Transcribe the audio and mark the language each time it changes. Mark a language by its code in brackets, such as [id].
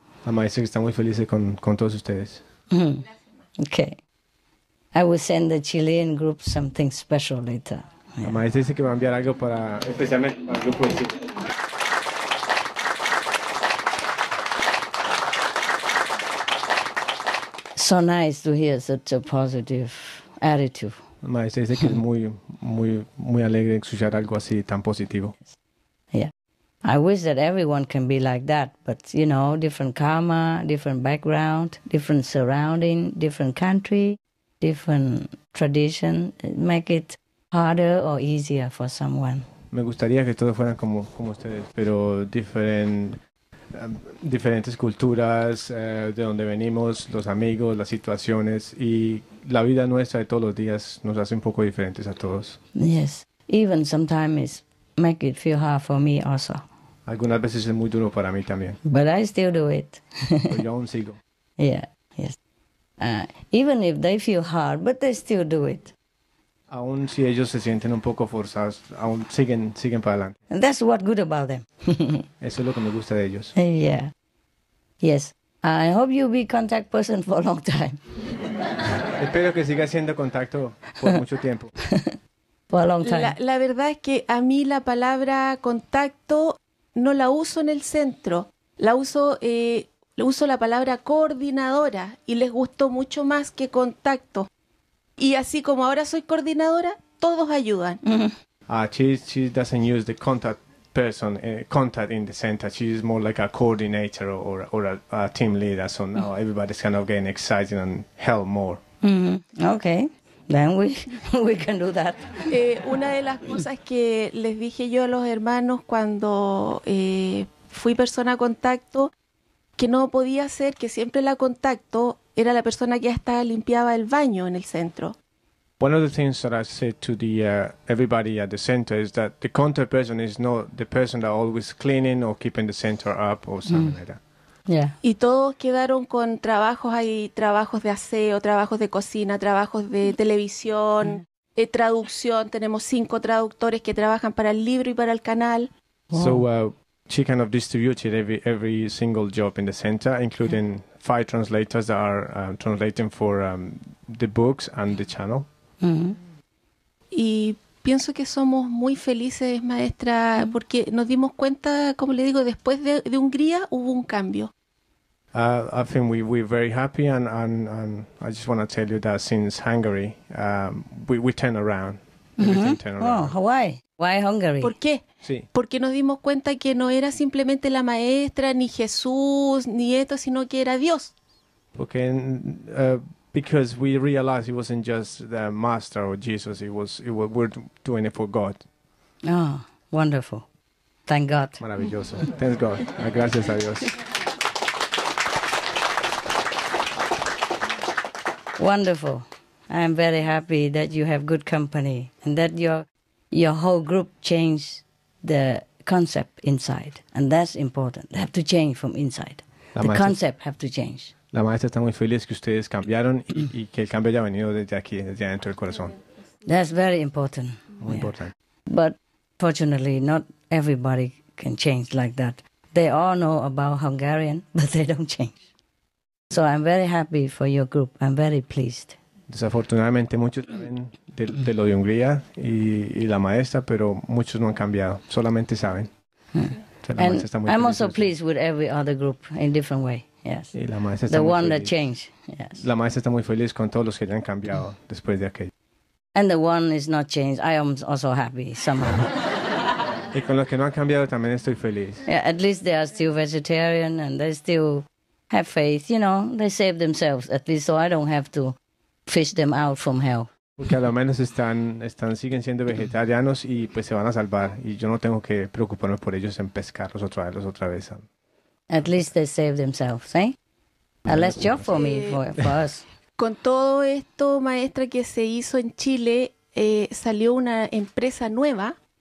[es] La maestra está muy feliz con todos ustedes. [en] Okay. I will send the Chilean group something special later. [es] Yeah. La maestra dice que va a enviar algo para especialmente para el grupo de Chile. [en] So nice to hear such a positive attitude. [es] La maestra dice que es muy, muy, muy alegre escuchar algo así tan positivo. [en] I wish that everyone can be like that, but, you know, different karma, different background, different surrounding, different country, different tradition, make it harder or easier for someone. [es] Me gustaría que todos fueran como ustedes, pero diferentes culturas, de donde venimos, los amigos, las situaciones, y la vida nuestra de todos los días nos hace un poco diferentes a todos. [en] Yes, even sometimes it make it feel hard for me also. [es] Algunas veces es muy duro para mí también. [en] But I still do it. [es] Yo aún sigo. [en] Yeah, yes. Even if they feel hard, but they still do it. [es] Aún si ellos se sienten un poco forzados, aún siguen para adelante. [en] And that's what good about them. [es] Eso es lo que me gusta de ellos. [en] Yeah. Yes. I hope you'll be contact person for a long time. [es] Espero que siga siendo contacto por mucho tiempo. [en] For a long time. [es] La verdad es que a mí la palabra contacto no la uso en el centro, uso la palabra coordinadora y les gustó mucho más que contacto. Y así como ahora soy coordinadora, todos ayudan. [en] She doesn't use the contact person, contact in the center. She's more like a coordinator or a team leader. So now everybody's kind of getting excited and help more. Okay. Then we can do that. [es] Una de las cosas que les dije yo a los hermanos cuando fui persona contacto, que no podía ser que siempre la contacto era la persona que hasta limpiaba el baño en el centro. [en] One of the things that I said to the everybody at the center is that the contact person is not the person that always cleaning or keeping the center up or something like that. Yeah. [es] Y todos quedaron con trabajos, hay trabajos de aseo, trabajos de cocina, trabajos de televisión, traducción, tenemos 5 traductores que trabajan para el libro y para el canal. [en] Wow. So she kind of distributed every single job in the center, including 5 translators that are translating for the books and the channel. [es] Y pienso que somos muy felices, maestra, porque nos dimos cuenta, como le digo, después de Hungría hubo un cambio. [en] I think we're very happy and I just want to tell you that since Hungary, we turn around. Oh, why? Why Hungary? [es] ¿Por qué? Sí. Porque nos dimos cuenta que no era simplemente la maestra, ni Jesús, ni esto, sino que era Dios. [en] Porque because we realized it wasn't just the master or Jesus, it was we're doing it for God. Oh, wonderful. Thank God. [es] Maravilloso. [en] Thanks God. [es] Gracias a Dios. [en] Wonderful. I'm very happy that you have good company and that your whole group changed the concept inside. And that's important. They have to change from inside. The concept have to change. [es] La maestra está muy feliz que ustedes cambiaron y que el cambio haya venido desde aquí, desde dentro del corazón. [en] That's very important. [es] Muy importante. [en] But fortunately, not everybody can change like that. They all know about Hungarian, but they don't change. So I'm very happy for your group. I'm very pleased. [es] Desafortunadamente, muchos saben de lo de Hungría y la maestra, pero muchos no han cambiado. Solamente saben. [en] And I'm also pleased with every other group in different way. Yes. [es] Y la maestra [en] the [es] está [en] one [es] muy [en] that changed. Yes. [es] La maestra está muy feliz con todos los que ya han cambiado después de aquello. [en] And the one is not changed. I am also happy somehow. [es] Y con los que no han cambiado también estoy feliz. [en] Yeah, at least they are still vegetarian and they still have faith. You know, they save themselves at least, so I don't have to fish them out from hell. [es] Porque a lo menos están siguen siendo vegetarianos y pues se van a salvar y yo no tengo que preocuparme por ellos en pescarlos o traerlos otra vez. [en] At least they save themselves, ¿eh? A less job for me, for us. [es] Con todo esto, maestra, que se hizo en Chile, salió una empresa nueva.